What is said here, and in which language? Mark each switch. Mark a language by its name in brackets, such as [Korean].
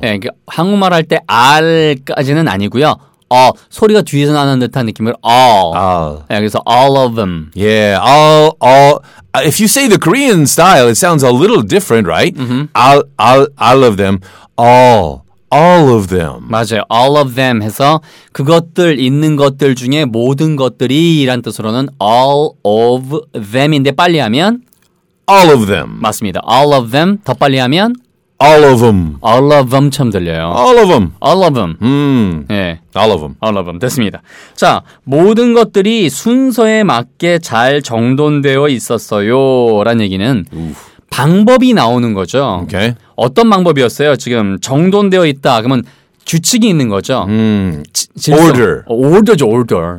[Korean] 네, 한국말 할 때 al까지는 아니고요. 소리가 뒤에서 나는 듯한 느낌을 all. [English] All. [Korean] 네, 그래서 [English] all of them. Yeah, all, all. If you say the Korean style, it sounds a little different, right? Al, al, all of them. All. All of them. [Korean] 맞아요. [English] All of them [Korean] 해서 그것들 있는 것들 중에 모든 것들이란 뜻으로는 all of them인데 빨리 하면 [English] all of them. [Korean] 맞습니다. [English] All of them [Korean] 더 빨리 하면 [English] all of them. All of them [Korean] 참 들려요. [English] All of them. All of them. [Korean] 예. 네. [English] All of them. All of them [Korean] 됐습니다. 자, 모든 것들이 순서에 맞게 잘 정돈되어 있었어요라는 얘기는 방법이 나오는 거죠. [English] Okay. [Korean] 어떤 방법이었어요? 지금 정돈되어 있다. 그러면 규칙이 있는 거죠. [English] Order. Order죠, order.